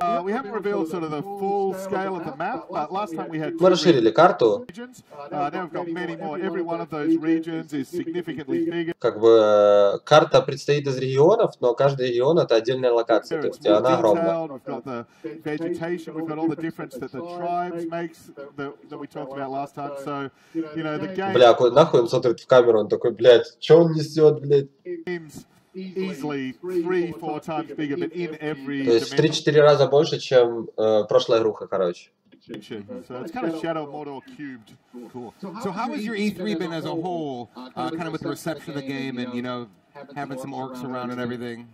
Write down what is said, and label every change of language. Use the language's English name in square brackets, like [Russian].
[English] We haven't revealed sort of the full scale of the map, but last time we had. [Russian] Мы расширили карту. [English] Now we've got many more. Every one of those regions is significantly bigger. [Russian] Как бы карта предстоит из регионов, но каждый регион это отдельная локация, то есть она огромна. [English] We've got the vegetation, we've got all the difference that the tribes makes that we talked about last time. So you know the game. [Russian] Бля, нахуй он смотрит в камеру, он такой, блядь, что он несет, блядь? [English] Easily 3-4 times bigger, but in every. [Russian] То есть 3-4 раза больше, чем прошлая игруха, короче. [English] So it's kind of Shadow of Mordor cubed. Cool. So how has your E3 been as a whole, kind of with the reception of the game and you know having some orcs around and everything?